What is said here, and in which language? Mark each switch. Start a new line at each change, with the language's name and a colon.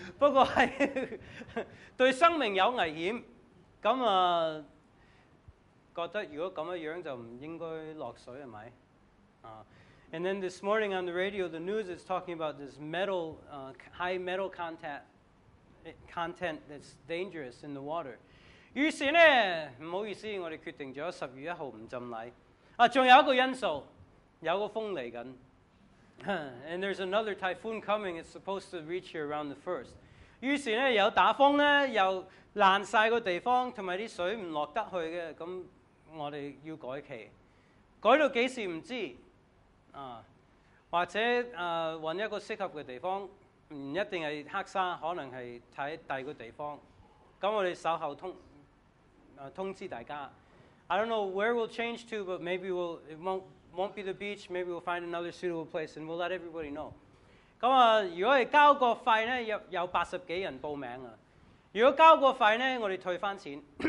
Cantonese: 不過係對生命有危險，咁啊～ 覺得如果咁樣樣就唔應該落水係咪？
English: 啊 ，and then this morning on the radio, the news is talking about this metal, high metal content that's dangerous in the water.
Cantonese: 於是咧，唔好意思，我哋決定咗十月一號唔浸禮。啊，仲有一個因素，有個風嚟緊。
English: And there's another typhoon coming. It's supposed to reach here around the first.
Cantonese: 於是咧，有打風咧，又爛曬個地方，同埋啲水唔落得去嘅咁。我哋要改期，改到幾時唔知啊？或者揾一個適合嘅地方，唔一定係黑沙，可能係睇第二個地方。咁我哋稍後通知大家。
English: I don't know where we'll change to, but maybe it won't be the beach. Maybe we'll find another suitable place, and we'll let everybody know.
Cantonese: 咁啊，如果係交個費咧，有80多人報名啊。如果交個費咧，我哋退翻錢。